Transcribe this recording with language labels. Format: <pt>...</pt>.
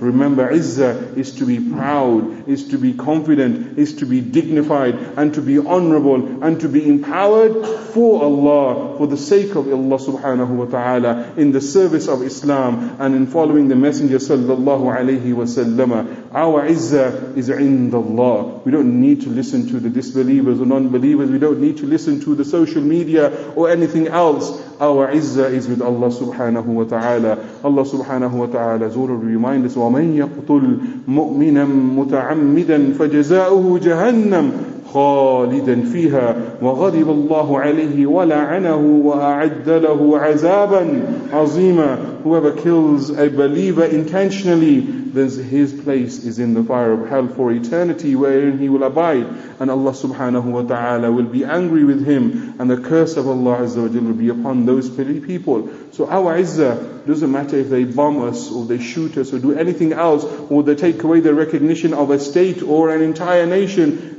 <en>Remember, izzah is to be proud, is to be confident, is to be dignified, and to be honorable, and to be empowered for Allah, for the sake of Allah subhanahu wa ta'ala, in the service of Islam, and in following the Messenger sallallahu alayhi wa sallam. Our izzah is indallah. We don't need to listen to the disbelievers or non-believers. We don't need to listen to the social media or anything else. Our izzah is with Allah subhanahu wa ta'ala. Allah subhanahu wa ta'ala zulul remind us,</en> <ar>وَمَنْ يَقْتُلْ مُؤْمِنًا مُتَعَمِّدًا فَجَزَاؤُهُ جَهَنَّمُ خَالِدًا فِيهَا وَغَضِبَ اللَّهُ عَلَيْهِ وَلَعَنَهُ وَأَعَدَّ لَهُ عَذَابًا عَظِيمًا.</ar> <en>Whoever kills a believer intentionally, then his place is in the fire of hell for eternity, wherein he will abide. And Allah subhanahu wa ta'ala will be angry with him, and the curse of Allah azza wa jalla will be upon those people. So our izzah doesn't matter if they bomb us, or they shoot us, or do anything else, or they take away the recognition of a state or an entire nation.</en>